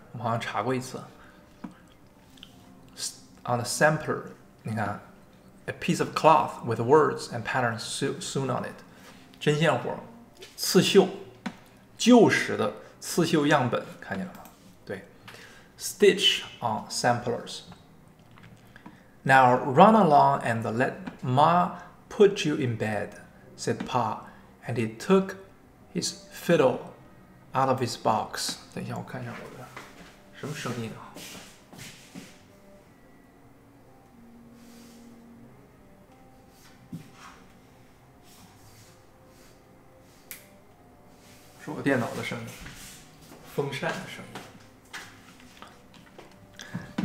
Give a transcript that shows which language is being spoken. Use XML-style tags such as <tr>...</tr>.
<zh>我好像查过一次 ，</zh> <en>on the sampler，</en> <zh>你看 ，</zh> <en>a piece of cloth with words and patterns sewn on it，</en> <zh>针线活，刺绣。旧时的刺绣样本，看见了吗？</zh> <en>对 ，stitch on samplers. Now run along and let Ma put you in bed," said Pa, and he took his fiddle out of his box.</en> <zh>等一下，我看一下我的什么声音啊？是我电脑的声音，风扇的声音。</zh>